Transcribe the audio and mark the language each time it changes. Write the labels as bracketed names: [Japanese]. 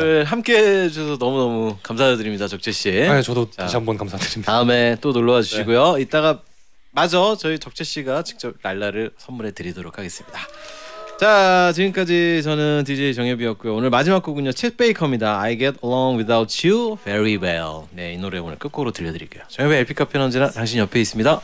[Korean] 오늘 함께해 주셔서 너무너무 감사드립니다. 적재씨 아, 저도 자, 다시 한번 감사드립니다. 다음에 또 놀러와 주시고요. 네. 이따가 마저 저희 적재씨가 직접 랄라를 선물해 드리도록 하겠습니다. 자 지금까지 저는 DJ 정엽이었고요. 오늘 마지막 곡은요 칩 베이커입니다. [English] I get along without you very well. [Korean] 네, 이 노래 오늘 끝곡으로 들려드릴게요. 정엽의 LP카페는 언제나 당신 옆에 있습니다.